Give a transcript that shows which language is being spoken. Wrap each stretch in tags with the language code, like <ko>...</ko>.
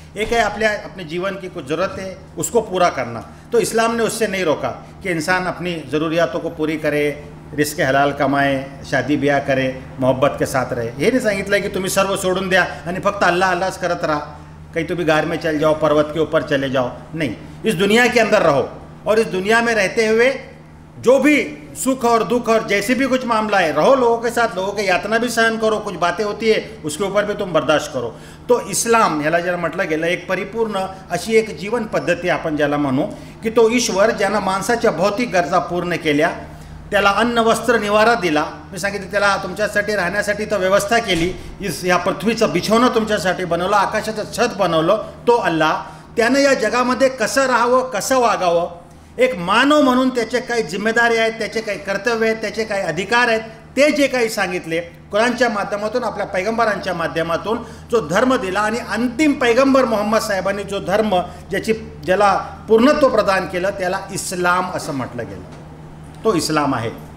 <mr>एक आहे आपल्या आपले</mr> <hi>जीवन की कुछ जरूरत आहे उसको पूरा करना, तो इस्लामने उससे नाही रोका की इन्सान आपली जरूरियातों को पूरी करे, रिस्क हलाल कमाए, शादी ब्याह करे, मोहब्बत के साथ रहे.</hi> <mr>हे नाही सांगितलं की तुम्ही सर्व सोडून द्या आणि फक्त अल्लाह अल्लाच करत राहा, काही तुम्ही</mr> <hi>गार में चल जाओ, पर्वत के ऊपर चले जाओ,</hi> <mr>नाही.</mr> <hi>इस दुनिया के अंदर रहो और इस दुनिया में रहते हुए जो भी सुख और दुख और जैसे भी कुछ मामला है, रहो लोगों के साथ, लोगों के यातना भी सहन करो, कुछ बातें होती है उसके ऊपर भी तुम बर्दाश्त करो.</hi> <mr>तो इस्लाम याला ज्याला म्हटलं गेलं एक परिपूर्ण अशी एक जीवन पद्धती आपण ज्याला म्हणू की तो ईश्वर ज्यानं माणसाच्या भौतिक गरजा पूर्ण केल्या, त्याला अन्न वस्त्र निवारा दिला, मी सांगितलं त्याला तुमच्यासाठी राहण्यासाठी तो व्यवस्था केली, या पृथ्वीचं बिछवणं तुमच्यासाठी बनवलं, आकाशाचं छत बनवलं, तो अल्लाह त्यानं या जगामध्ये कसं राहावं, कसं वागावं, एक मानव म्हणून त्याचे काही जिम्मेदारी आहेत, त्याचे काही कर्तव्य आहेत, त्याचे काही अधिकार आहेत, ते जे काही सांगितले कुराणच्या माध्यमातून, आपल्या पैगंबरांच्या माध्यमातून जो धर्म दिला आणि अंतिम पैगंबर मोहम्मद साहेबांनी जो धर्म ज्याची ज्याला पूर्णत्व प्रदान केलं त्याला इस्लाम असं म्हटलं गेलं, तो इस्लाम आहे.</mr>